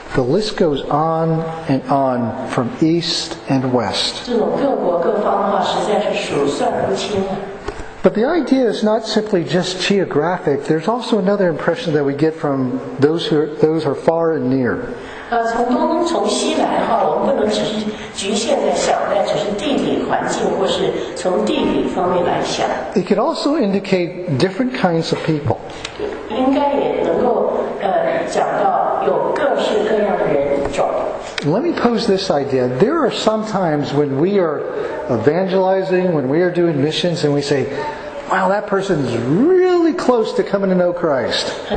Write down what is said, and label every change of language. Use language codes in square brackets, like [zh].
[en] The list goes on and on from east and west. But the idea is not simply just geographic. There's also another impression that we get from those who are far and near. [zh] 从西来的话，我们不能只是局限在想在只是地理环境，或是从地理方面来想。 [en] It could also indicate different kinds of people. [zh] 应该也能够讲到有各式各样的人种。 [en] Let me pose this idea. There are some times when we are evangelizing, when we are doing missions, and we say, wow, that person is really close to coming to know Christ.